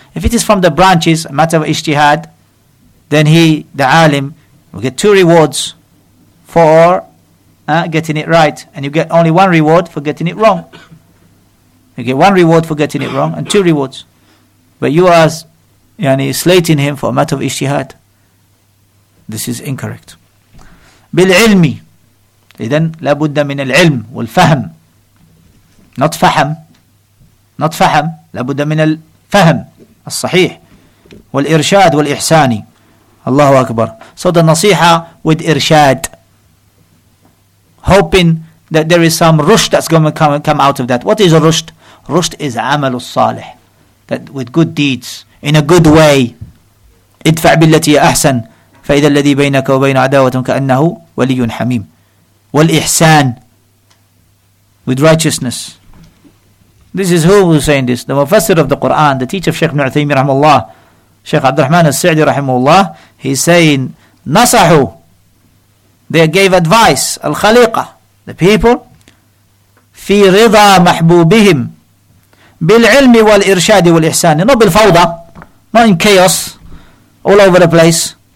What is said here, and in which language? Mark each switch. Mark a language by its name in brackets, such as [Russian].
[English] If it is from the branches, a matter of ijtihad, then he, the alim, will get two rewards for getting it right, and you get only one reward for getting it wrong. You get one reward for getting it wrong and two rewards. But you are yani slating him for a matter of ijtihad. This is incorrect. [Arabic] بالعلم إذن لابد من العلم والفهم, [English] not [Arabic] فهم, لابد من الفهم الصحيح والإرشاد والإحسان. الله أكبر. [English] So the نصيحة with إرشاد, hoping that there is some rushd that's going to come out of that. What is a rushd? Rushd is [Arabic] عمل الصالح, [English] that with good deeds, in a good way. [Arabic] ادفع بالتي أحسن فإذا الذي بينك وبين عداوة كأنه ولي حميم. [English] والإحسان, with righteousness. This is who is saying this? The Mufassir of the Quran, the teacher of Sheikh ibn Uthaymeen rahimahullah, Sheikh Abdul Rahman al-Sa'di rahimahullah, he's saying, نصحوا, they gave advice, al-Khaliqa, the people, [Arabic] في رضا محبوبهم, بالعلم والإرشاد والإحسان, [English] not بالفوضى, not in chaos, all over the place.